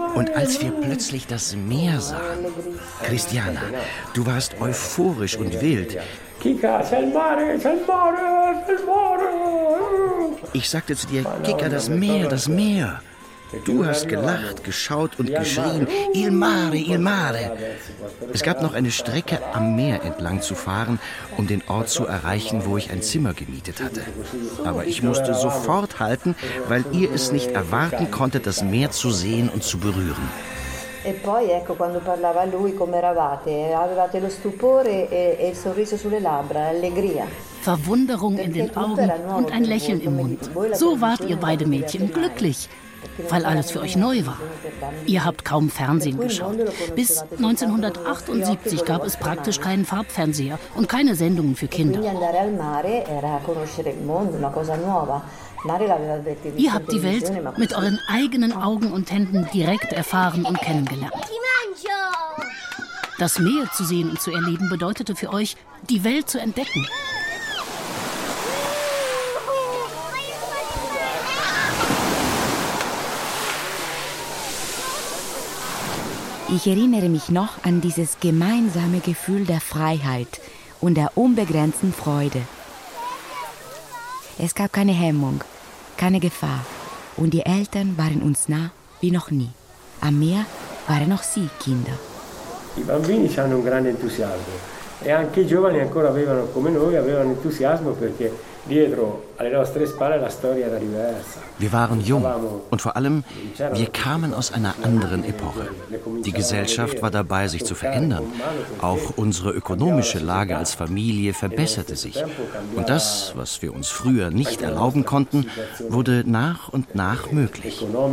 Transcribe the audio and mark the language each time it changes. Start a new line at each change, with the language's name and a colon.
German: Und als wir plötzlich das Meer sahen, Christiana, du warst euphorisch und wild.
Italian: Kika, c'è il mare, c'è il mare, c'è il mare.
German: Ich sagte zu dir, Kika, das Meer, das Meer. Du hast gelacht, geschaut und geschrien,
Italian: il mare, il mare.
German: Es gab noch eine Strecke am Meer entlang zu fahren, um den Ort zu erreichen, wo ich ein Zimmer gemietet hatte. Aber ich musste sofort halten, weil ihr es nicht erwarten konntet, das Meer zu sehen und zu berühren.
Italian: E poi ecco quando parlava lui come eravate, avevate lo stupore e il sorriso sulle labbra, l'allegria.
German: Verwunderung in den Augen und ein Lächeln im Mund. So wart ihr beide Mädchen glücklich. Weil alles für euch neu war. Ihr habt kaum Fernsehen geschaut. Bis 1978 gab es praktisch keinen Farbfernseher und keine Sendungen für Kinder. Ihr habt die Welt mit euren eigenen Augen und Händen direkt erfahren und kennengelernt. Das Meer zu sehen und zu erleben bedeutete für euch, die Welt zu entdecken. Ich erinnere mich noch an dieses gemeinsame Gefühl der Freiheit und der unbegrenzten Freude. Es gab keine Hemmung, keine Gefahr. Und die Eltern waren uns nah wie noch nie. Am Meer waren auch sie Kinder. Die Bambini haben einen großen Enthusiasmus.
Italian: E anche i giovani ancora avevano come noi avevano entusiasmo perché dietro alle nostre spalle la storia era diversa.
German: Wir waren jung und vor allem wir kamen aus einer anderen Epoche. Die Gesellschaft war dabei, sich zu verändern. Auch unsere ökonomische Lage als Familie verbesserte sich. Und das, was wir uns früher nicht erlauben konnten, wurde nach und nach möglich.